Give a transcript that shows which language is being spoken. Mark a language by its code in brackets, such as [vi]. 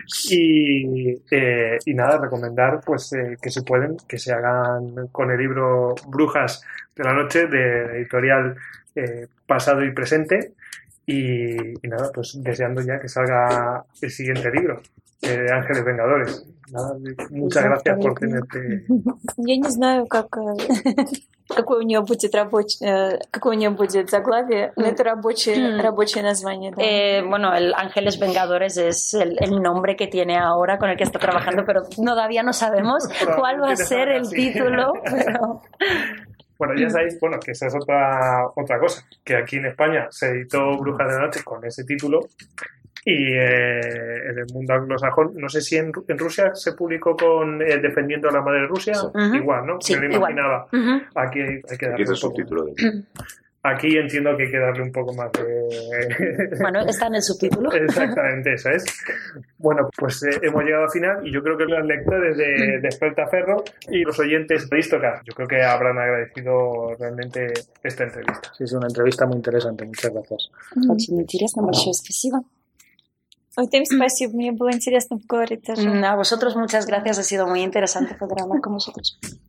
[es] y nada, recomendar pues que se hagan con el libro Brujas de la Noche, de editorial Pasado y Presente. Y nada, pues deseando ya que salga el siguiente libro de Ángeles Vengadores. Nada, muchas gracias por tenerte. [ru] Я не знаю, какое у нее будет рабочее, какое у нее будет заглавие, но это рабочее название. Да. [es] Bueno, el Ángeles Vengadores es el nombre que tiene ahora con el que está trabajando, pero todavía no sabemos cuál va a ser el título, pero... Bueno, ya sabéis, bueno, que esa es otra cosa, que aquí en España se editó Brujas de la Noche con ese título y en el mundo anglosajón, no sé si en Rusia se publicó con Defendiendo a la Madre Rusia, uh-huh. Igual, ¿no? Sí, me lo imaginaba. Uh-huh. Aquí hay que darle un subtítulo. Aquí entiendo que hay que darle un poco más de... Bueno, está en el subtítulo. Exactamente, eso es. Bueno, pues hemos llegado al final y yo creo que los lectores de Desperta Ferro y los oyentes de Histoca, yo creo que habrán agradecido realmente esta entrevista. Sí, es una entrevista muy interesante. Muchas gracias. Muchas gracias. Muchas gracias. [ru] Ой, тем спасибо, мне было интересно поговорить тоже. А [es] vosotros muchas gracias, ha sido muy interesante poder hablar con vosotros.